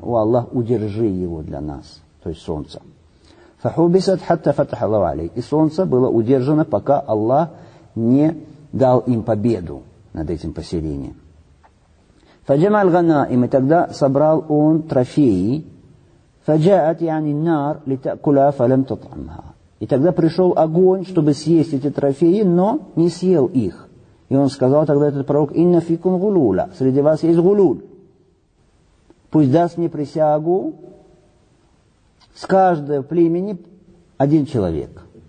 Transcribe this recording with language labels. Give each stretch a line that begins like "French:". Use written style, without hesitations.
Russian: «О Аллах, удержи его для нас». То есть солнце.
Arabic: «Фахубисат хатта фатахалу алей».
Russian: И солнце было удержано, пока Аллах не дал им победу над этим поселением.
Arabic: «Фаджама альгана им».
Russian: И тогда собрал он трофеи.
Arabic: فجاءت يعني النار لتأكلها فلم تطعمها.
Russian: И тогда пришел огонь, чтобы съесть эти трофеи, но не съел их. И он сказал тогда этот пророк,
Arabic: инна фикун гулуля,
Russian: среди вас есть гулул. Пусть даст мне присягу с каждого племени один человек.